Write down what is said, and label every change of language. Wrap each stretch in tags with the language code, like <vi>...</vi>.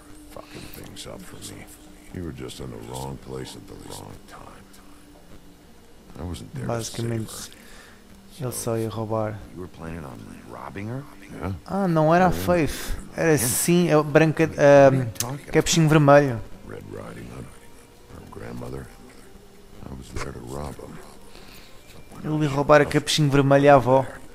<en>Fucking things up for me. You were just in the wrong place at the wrong time. I wasn't there.</en> <pt>Basicamente, ele só ia roubar.</pt> <en>You were planning on robbing her?</en> <pt>Ah, não era a Faith. Era sim a branca, capuchinho vermelho.</pt> <en>Red Riding Hood, her grandmother. I was there to rob him.</en> <pt>Ele ia roubar a capuchinho vermelho à avó.</pt>